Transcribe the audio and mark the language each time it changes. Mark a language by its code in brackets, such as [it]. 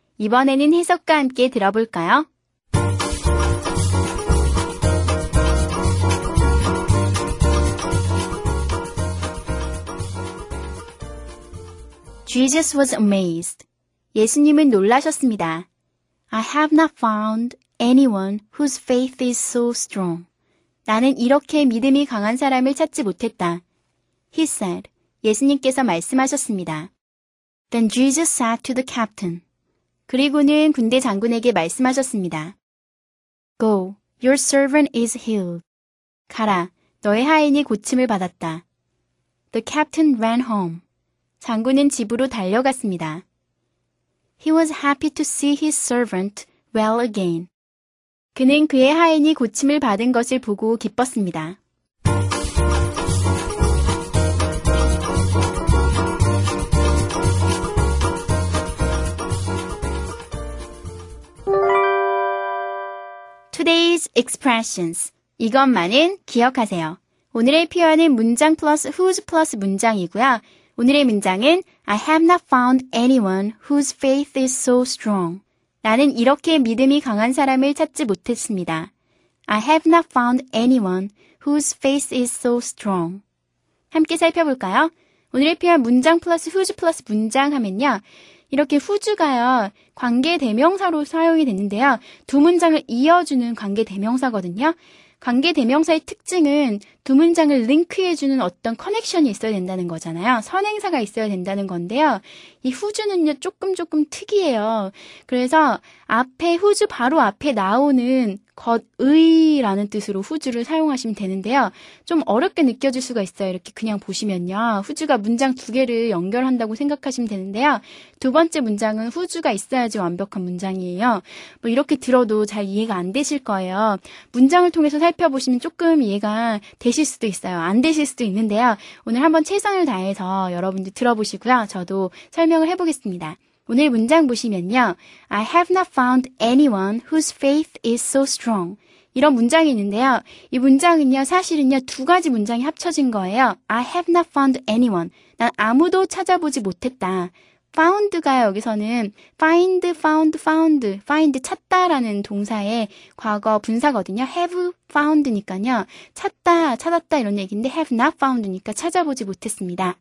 [ko] 이번에는 해석과 함께 들어볼까요? [en] Jesus was amazed. [ko] 예수님은 놀라셨습니다. [en] I have not found anyone whose faith is so strong. [ko] 나는 이렇게 믿음이 강한 사람을 찾지 못했다. [en] He said, [ko] 예수님께서 말씀하셨습니다. [en] Then Jesus said to the captain. [ko] 그리고는 군대 장군에게 말씀하셨습니다. [en] Go, your servant is healed. [ko] 가라, 너의 하인이 고침을 받았다. [en] The captain ran home. [ko] 장군은 집으로 달려갔습니다. [en] He was happy to see his servant well again. [ko] 그는 그의 하인이 고침을 받은 것을 보고 기뻤습니다. [en] Today's expressions. [ko] 이것만은 기억하세요. 오늘의 표현은 문장 플러스 whose 플러스 문장이고요. 오늘의 문장은 [en] I have not found anyone whose faith is so strong. [ko] 나는 이렇게 믿음이 강한 사람을 찾지 못했습니다. [en] I have not found anyone whose faith is so strong. [ko] 함께 살펴볼까요? 오늘의 표현 문장 플러스 whose 플러스 문장 하면요. 이렇게 whose가요. 관계 대명사로 사용이 됐는데요. 두 문장을 이어주는 관계 대명사거든요. 관계 대명사의 특징은 두 문장을 링크해주는 어떤 커넥션이 있어야 된다는 거잖아요. 선행사가 있어야 된다는 건데요. 이 후즈는요 조금 특이해요. 그래서 앞에 후즈 바로 앞에 나오는 겉의라는 뜻으로 후즈를 사용하시면 되는데요. 좀 어렵게 느껴질 수가 있어요. 이렇게 그냥 보시면요. 후즈가 문장 두 개를 연결한다고 생각하시면 되는데요. 두 번째 문장은 후즈가 있어야지 완벽한 문장이에요. 뭐 이렇게 들어도 잘 이해가 안 되실 거예요. 문장을 통해서 살펴보시면 조금 이해가 되실 수도 있어요. 안 되실 수도 있는데요. 오늘 한번 최선을 다해서 여러분들 들어보시고요. 저도 설명을 해보겠습니다. 오늘 문장 보시면요. [en] I have not found anyone whose faith is so strong. [ko] 이런 문장이 있는데요. 이 문장은요. 사실은요. 두 가지 문장이 합쳐진 거예요. [en] I have not found anyone. [ko] 난 아무도 찾아보지 못했다. found가요. 여기서는 find 찾다라는 동사의 과거 분사거든요. have found니까요. 찾다, 찾았다 이런 얘기인데 have not found니까 찾아보지 못했습니다.